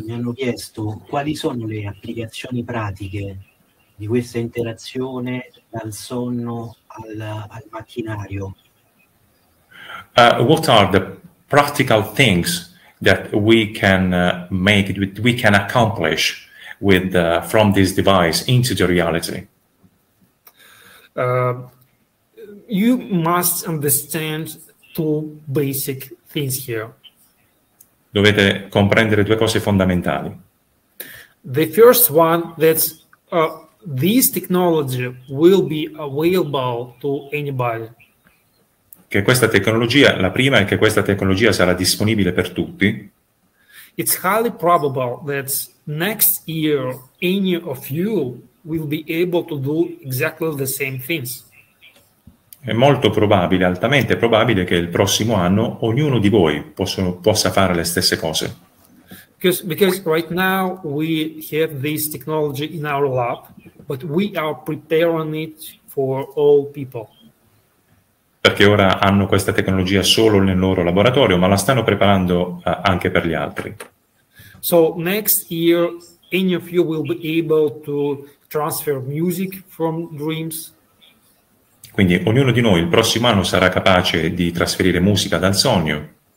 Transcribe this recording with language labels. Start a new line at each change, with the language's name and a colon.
Italian: Sì, mi hanno chiesto quali sono le applicazioni pratiche di questa interazione dal sonno al macchinario.
English: What are the practical things that we can make, we can accomplish with from this device into the reality? You must understand two basic things here.
Italian: Dovete comprendere due cose fondamentali.
English: The first one, that this technology will be available to anybody.
Italian: Che questa tecnologia, la prima è che questa tecnologia sarà disponibile per tutti.
English: It's highly probable that next year any of you will be able to do exactly the same things.
Italian: È molto probabile, altamente probabile, che il prossimo anno ognuno di voi possa fare le stesse cose.
English: Ok, Because right now we have this technology in our lab, but we are preparing it for all people.
Italian: Perché ora hanno questa tecnologia solo nel loro laboratorio, ma la stanno preparando anche per gli altri.
English: So next year, any of you will be able to transfer music from dreams.
Italian: Quindi ognuno di noi il prossimo anno sarà capace di trasferire musica dal sogno.